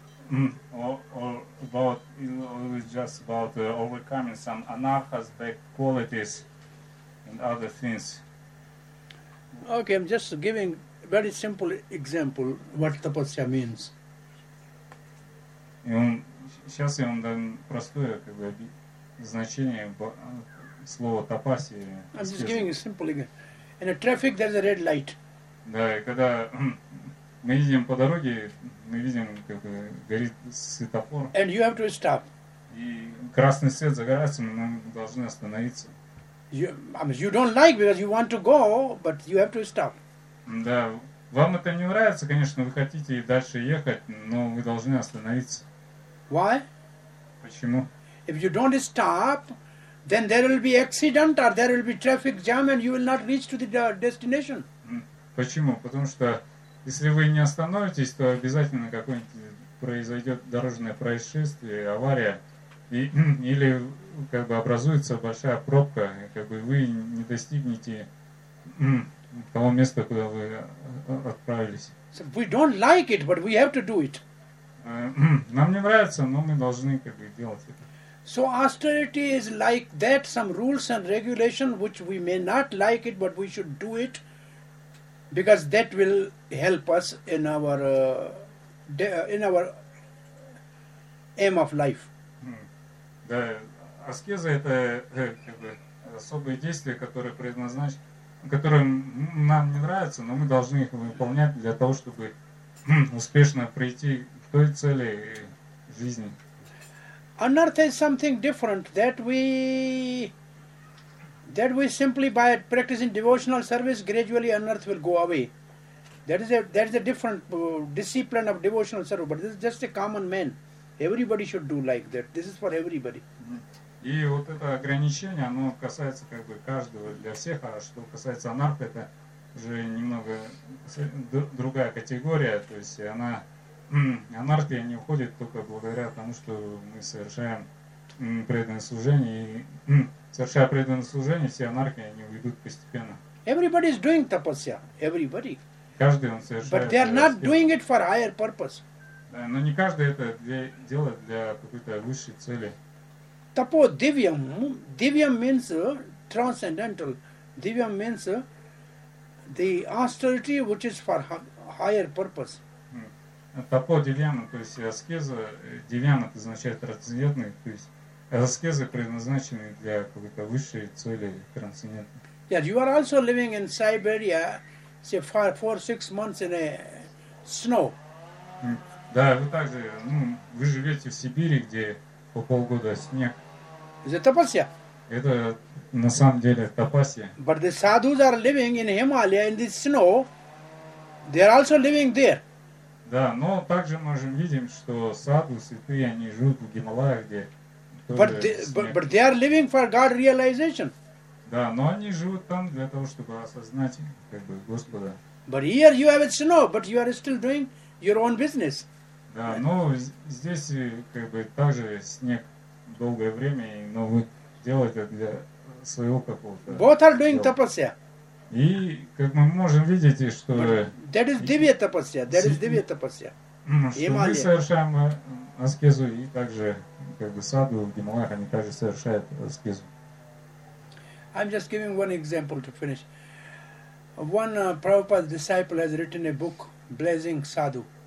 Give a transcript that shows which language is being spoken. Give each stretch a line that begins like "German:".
English: about just about overcoming some anarchas, bad qualities, and other things. Okay, I'm just giving very simple example what tapasya means.
Russian: И он сейчас я вам дам простое как бы значение слова тапаси.
English: I'm just giving a simple example. In a traffic, there's a red light.
Russian: Да, и когда мы едем по дороге, мы видим, как горит светофор.
English: And you have to stop.
Russian: И красный свет загорается, мы должны остановиться.
English: You, I mean, you don't like because you want to go, but you have to stop.
Russian: Да, вам это не нравится, конечно, вы хотите и дальше ехать, но вы должны остановиться.
English: Why?
Russian: Почему?
English: If you don't stop, then there will be accident or there will be traffic jam and you will not reach to the destination.
Russian: Почему? Потому что если вы не остановитесь, то обязательно какое-нибудь произойдет дорожное происшествие, авария, и, или как бы образуется большая пробка, и как бы вы не достигнете того места, куда вы отправились.
English: So we don't like it, but we have to do it.
Russian: Нам не нравится, но мы должны как бы делать это.
English: So austerity is like that, some rules and regulation which we may not like it, but we should do it. Because that will help us in our aim of life.
Russian: Да, аскеза это особые действия, которые предназначены, которые нам не нравятся, но мы должны их выполнять для того, чтобы успешно прийти к той цели жизни.
English: Anartha is something different that we simply by practicing devotional service gradually anartha will go away. That is a different discipline of devotional service, but this is just a common man. Everybody should do like that. This is for everybody.
Russian: И вот это ограничение, оно касается как бы каждого для всех, а что касается анартхи, это уже немного другая категория, то есть она анартхия не уходит только благодаря тому, что мы совершаем преданное служение, и совершая преданное служение, все анархии они уйдут постепенно.
English: Everybody is doing tapasya. Everybody.
Russian: Каждый он совершает.
English: But they are not doing it for higher purpose.
Russian: Да, но не каждый это делает для какой-то высшей цели.
English: Tapo divyam. Divyam means transcendental. Divyam means the austerity which is for higher purpose.
Russian: Tapo divyam, то есть аскеза. Divyam это означает трансцендентный, то есть аскезы предназначены для какой-то высшей цели, трансцендентной.
English: Yeah, you are also living in Siberia, say four-six months in a snow.
Russian: Да, вы также, вы живете в Сибири, где по полгода снег.
English: Is it tapasya?
Russian: Это на самом деле тапасья.
English: But the sadhus are living in Himalaya in the snow. They are also living there.
Russian: Да, но также можем видим, что садху, святые, они живут в Гималаях, где
English: But they are living for God realization.
Russian: Да, но они живут там для того, чтобы осознать как бы Господа.
English: But here you have it snow, but you are still doing your own business.
Russian: Да, но здесь как бы также снег долгое время, но вы делаете для своего какого-то.
English: Both are doing tapasya.
Russian: И как мы можем видеть, что
English: that is divya tapasya. That is divya tapasya.
Russian: Мы совершаем аскезу и также как бы саду в Гималаях, они также совершают аскезу.
English: I'm just giving one example to finish. One Prabhupada's disciple has written a book, Blessing Sadhu.